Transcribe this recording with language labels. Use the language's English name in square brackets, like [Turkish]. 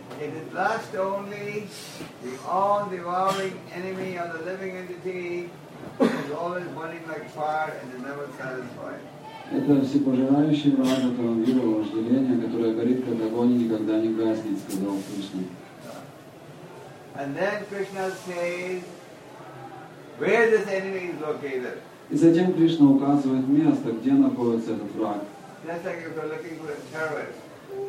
[English] It is lust only, the all-devouring enemy of the living entity is always burning like fire and is never satisfied. [Russian] Это всепожирающий враг этого мира, вожделение, которое горит как огонь и никогда не гаснет, сказал Кришна. [English] And then Krishna says, where this enemy is located. [Russian] И затем Кришна указывает место, где находится этот враг. [English] Just like if you're looking for a terrorist.